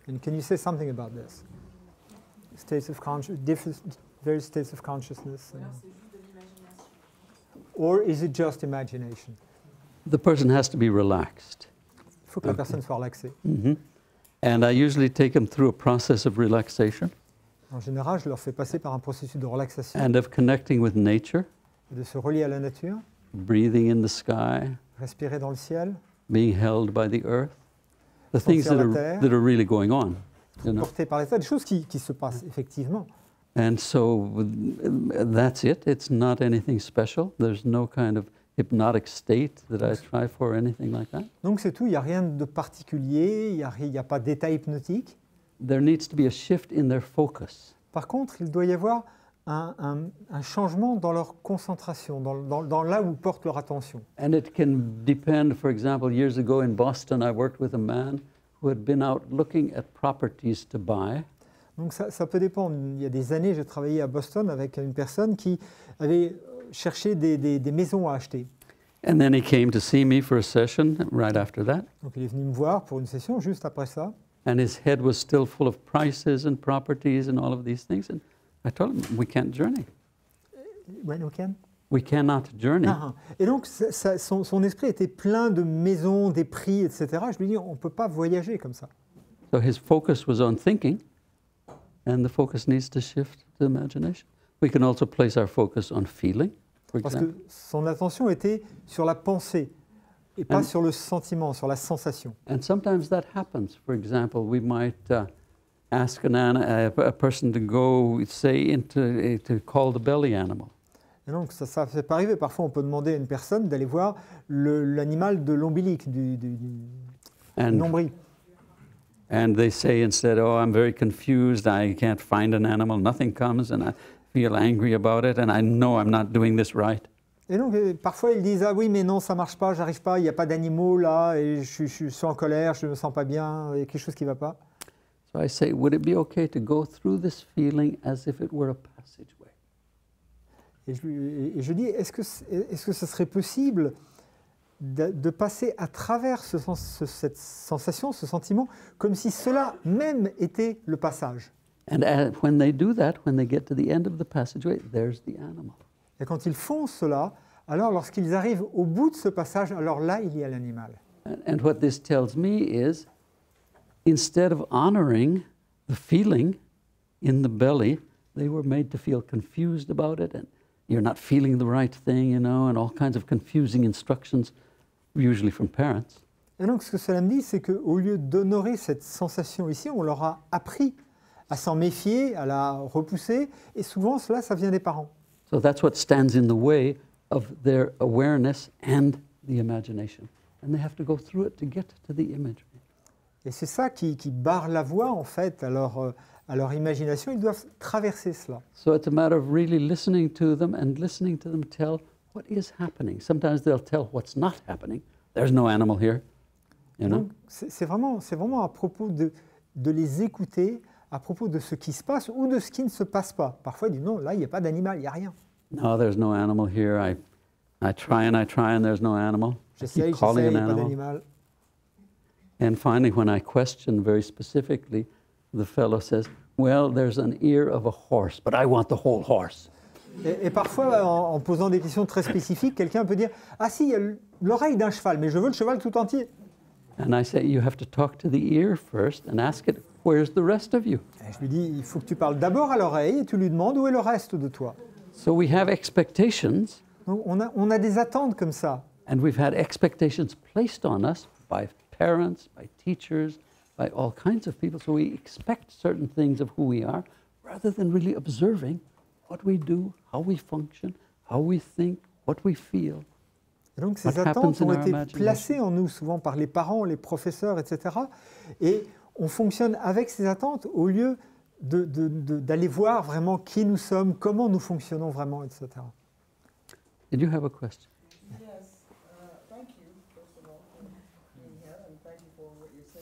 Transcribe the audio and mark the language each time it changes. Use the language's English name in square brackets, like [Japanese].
[English] And can you say something about this? States of consciousness, various states of consciousness. And, or is it just imagination? The person has to be relaxed. [French] Faut que la personne soit relaxée. Mm-hmm. [English] And I usually take them through a process of relaxation. [French] En général, je leur fais passer par un processus de relaxation. [English] And of connecting with nature. [French] Et de se relier à la nature. [English] Breathing in the sky. [French] Respirer dans le ciel. [English] Being held by the earth. The things that are really going on. [French] Portées par la terre, des choses qui se passent effectivement. [English] And so that's it. It's not anything special. There's no kind of hypnotic state that I try for, anything like that. [French] Donc c'est tout. Il y a rien de particulier. Il y a pas d'état hypnotique. [English] There needs to be a shift in their focus. [French] Par contre, il doit y avoir un changement dans leur concentration, dans là où porte leur attention. [English] And it can depend. For example, years ago in Boston, I worked with a man who had been out looking at properties to buy. [French] Donc ça peut dépendre. Il y a des années, j'ai travaillé à Boston avec une personne qui avait cherché des maisons à acheter. [English] And then he came to see me for a session right after that. [French] Donc il est venu me voir pour une session juste après ça. [English] And his head was still full of prices and properties and all of these things. And I told him, we can't journey. When we can? We cannot journey. Uh-huh. [French] Et donc son esprit était plein de maisons, des prix, etc. Je lui dis, on ne peut pas voyager comme ça. [English] So his focus was on thinking. And the focus needs to shift to imagination. We can also place our focus on feeling, for [French] Parce [English] example. [French] Que son attention était sur la pensée, et pas sur le sentiment, sur la sensation. [English] And sometimes that happens. For example, we might ask a person to go, say, to call the belly animal. [French] Et donc, ça peut arriver. Parfois, on peut demander à une personne d'aller voir l'animal de l'ombilic, du nombril. [English] And they say instead, oh, I'm very confused, I can't find an animal, nothing comes, and I feel angry about it, and I know I'm not doing this right. [French] Et donc, parfois, ils disent, ah oui, mais non, ça marche pas, j'arrive pas, il n'y a pas d'animaux là, et je suis en colère, je me sens pas bien, il y a quelque chose qui va pas. [English] So I say, would it be okay to go through this feeling as if it were a passageway? [French] Et je dis, est-ce que ce serait possible de passer à travers cette sensation, ce sentiment, comme si cela même était le passage. Et quand ils font cela, alors lorsqu'ils arrivent au bout de ce passage, alors là, il y a l'animal. [English] And what this tells me is, instead of honoring the feeling in the belly, they were made to feel confused about it, and you're not feeling the right thing, you know, and all kinds of confusing instructions. Usually from parents. [French] Et donc, ce que cela me dit, c'est qu'au lieu d'honorer cette sensation ici, on leur a appris à s'en méfier, à la repousser, et souvent, cela, ça vient des parents. [English] So that's what stands in the way of their awareness and the imagination. And they have to go through it to get to the image. [French] Et c'est ça qui barre la voie, en fait, à leur imagination. Ils doivent traverser cela. [English] So it's a matter of really listening to them and listening to them tell what is happening. Sometimes they'll tell what's not happening. There's no animal here, you know. [French] C'est vraiment à propos de les écouter, à propos de ce qui se passe ou de ce qui ne se passe pas. Parfois, ils disent non, là, il n'y a pas d'animal, il n'y a rien. [English] No, there's no animal here. I try and there's no animal. [French] J'essaie, il n'y a pas d'animal. [English] And finally, when I question very specifically, the fellow says, well, there's an ear of a horse, but I want the whole horse. [French] Et parfois, en posant des questions très spécifiques, quelqu'un peut dire, ah si, il y a l'oreille d'un cheval, mais je veux le cheval tout entier. [English] And I say, you have to talk to the ear first and ask it, where's the rest of you? [French] Et je lui dis, il faut que tu parles d'abord à l'oreille et tu lui demandes où est le reste de toi. [English] So we have expectations. [French] Donc on a des attentes comme ça. [English] And we've had expectations placed on us by parents, by teachers, by all kinds of people. So we expect certain things of who we are, rather than really observing what we do, how we function, how we think, what we feel. [French] Et donc ces attentes ont été placées en nous souvent par les parents, les professeurs, etc. Et on fonctionne avec ces attentes au lieu d'aller voir vraiment qui nous sommes, comment nous fonctionnons vraiment, etc. [English] Did you have a question? Yes. Thank you, first of all, for being here, and thank you for what you're saying.